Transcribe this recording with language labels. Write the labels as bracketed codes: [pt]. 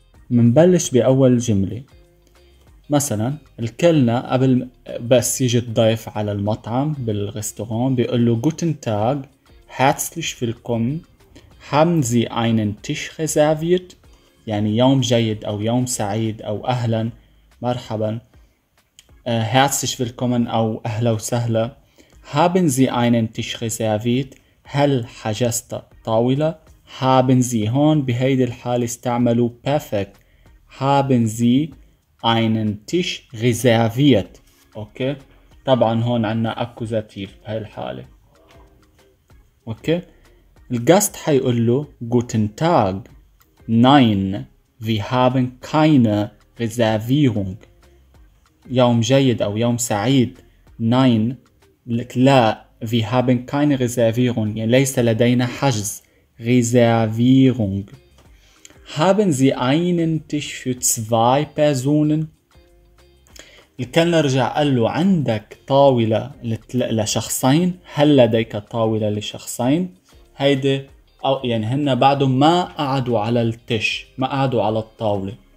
[ar] منبلش بأول جملة. مثلا الكلنا قبل بس يجي الضيف على المطعم بالغستوران بيقول له [de] Guten Tag, herzlich willkommen, haben Sie einen Tisch reserviert؟ [ar] يعني يوم جيد أو يوم سعيد أو أهلا مرحبا، [de] herzlich willkommen [ar] أو أهلا وسهلا. [de] Haben Sie einen Tisch reserviert؟ [ar] هل حجزت طاولة؟ [de] Haben Sie، [ar] هون بهيدي الحالة استعملوا [de] perfect، Haben Sie einen Tisch reserviert. [ar] اوكي، طبعا هون عندنا اكوزاتيف بهاي الحاله. اوكي، الجاست حيقول له [de] Guten Tag. Nein, wir haben keine Reservierung. [ar] يوم جيد او يوم سعيد. Nein، لا، [de] wir haben keine Reservierung، [ar] يعني ليس لدينا حجز. [de] Reservierung. Haben Sie einen Tisch für zwei Personen؟ [ar] الكلنر رجع قال له عندك طاولة لشخصين؟ هل لديك طاولة لشخصين؟ هيدا أو يعني هن بعدهم ما قعدوا على التش، ما قعدوا على الطاولة.